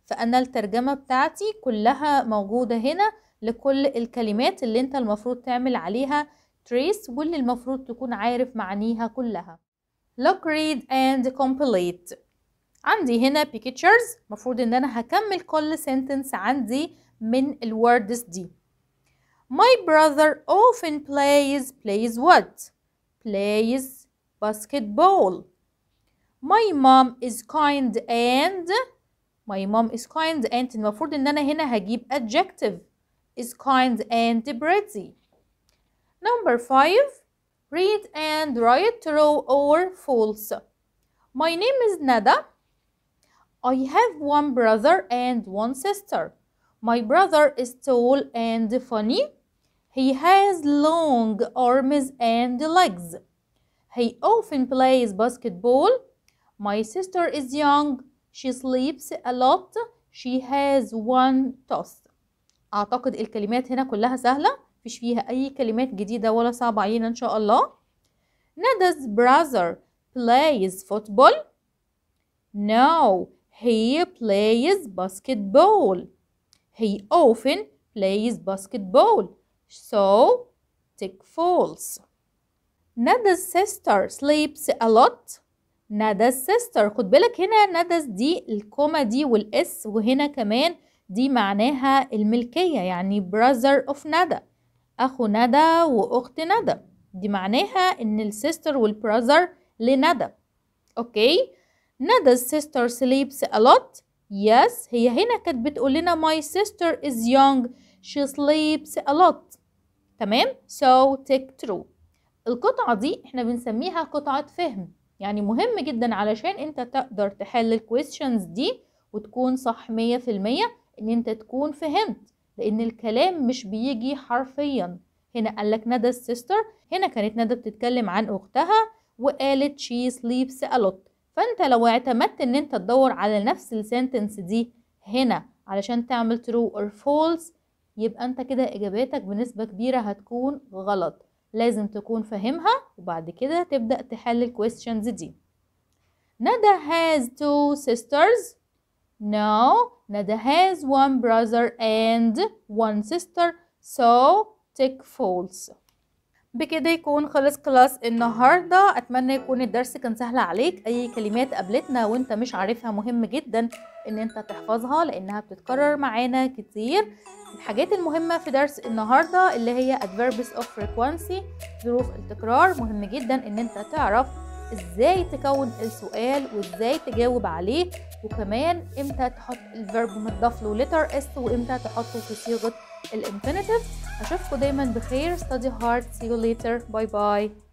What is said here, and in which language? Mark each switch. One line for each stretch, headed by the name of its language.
Arabic: فأنا الترجمة بتاعتي كلها موجودة هنا لكل الكلمات اللي انت المفروض تعمل عليها trace، واللي المفروض تكون عارف معانيها كلها.
English: Look, read and complete.
Arabic: عندي هنا pictures، مفروض ان انا هكمل كل sentence عندي من الwords دي.
English: My brother often plays what? Plays basketball. My mom is kind and my mom is kind and
Arabic: المفروض ان انا هنا هجيب
English: adjective is kind and pretty. Number 5, read and write true or false. My name is Nada. I have one brother and one sister. My brother is tall and funny. He has long arms and legs. He often plays basketball. My sister is young. She sleeps a lot. She has one toss.
Arabic: أعتقد الكلمات هنا كلها سهلة، مفيش فيها أي كلمات جديدة ولا صعبة علينا إن شاء الله.
English: Nada's brother plays football. No, he plays basketball. He often plays basketball. So, tick false. Nada's sister sleeps a lot.
Arabic: Nada's sister، خد بالك هنا Nada's دي الكومة دي والاس، وهنا كمان دي معناها الملكية، يعني
English: brother of Nada،
Arabic: أخو Nada وأخت Nada، دي معناها إن السيستر والبراذر لNada.
English: Okay, Nada's sister sleeps a lot.
Arabic: Yes، هي هنا كانت بتقول لنا
English: my sister is young. She sleeps a lot.
Arabic: تمام؟
English: so take true.
Arabic: القطعة دي احنا بنسميها قطعة فهم، يعني مهم جدا علشان انت تقدر تحل الكويستشنز دي وتكون صح 100% ان انت تكون فهمت، لان الكلام مش بيجي حرفيا. هنا قالك ندى السيستر، هنا كانت ندى بتتكلم عن اختها وقالت
English: she sleeps a lot.
Arabic: فانت لو اعتمدت ان انت تدور على نفس السنتنس دي هنا علشان تعمل true or false، يبقى انت كده اجاباتك بنسبة كبيرة هتكون غلط. لازم تكون فاهمها وبعد كده تبدأ تحل الكويستشنز دي.
English: Nada has two sisters. No, Nada has one brother and one sister. So tick false.
Arabic: بكده يكون خلص كلاس النهاردة. اتمنى يكون الدرس كان سهل عليك. اي كلمات قابلتنا وانت مش عارفها مهم جدا ان انت تحفظها، لانها بتتكرر معانا كتير. الحاجات المهمة في درس النهاردة اللي هي
English: adverbs of frequency،
Arabic: ظروف التكرار، مهم جدا ان انت تعرف ازاي تكون السؤال وازاي تجاوب عليه، وكمان امتى تحط الverb متضاف له letter s وامتى تحطه في صيغة الانفينيتيف. اشوفكوا دايما بخير.
English: study hard. see you later. bye bye.